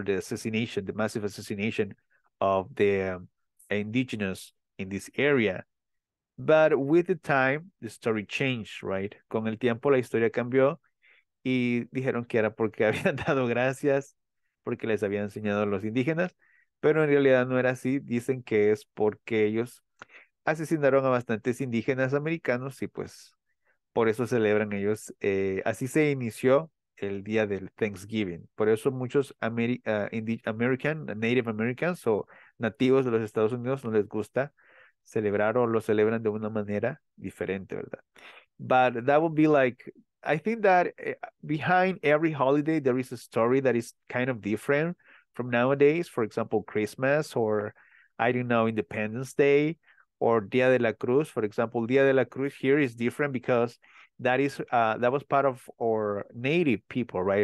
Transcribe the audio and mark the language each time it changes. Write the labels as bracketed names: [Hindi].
[English] The massive assassination of the indigenous in this area. But with the time, the story changed, right? [Spanish] Con el tiempo, la historia cambió. Y dijeron que era porque habían dado gracias, porque les habían enseñado a los indígenas. Pero en realidad no era así. Dicen que es porque ellos asesinaron a bastantes indígenas americanos y pues por eso celebran ellos. Así se inició el día del Thanksgiving. Por eso muchos Native Americans o nativos de los Estados Unidos no les gusta celebrar o lo celebran de una manera diferente, ¿verdad? [English] But that would be like, I think that behind every holiday there is a story that is kind of different from nowadays. For example, Christmas or, I don't know, Independence Day. Or Dia de la Cruz, for example, Dia de la Cruz here is different because that was part of our native people, right?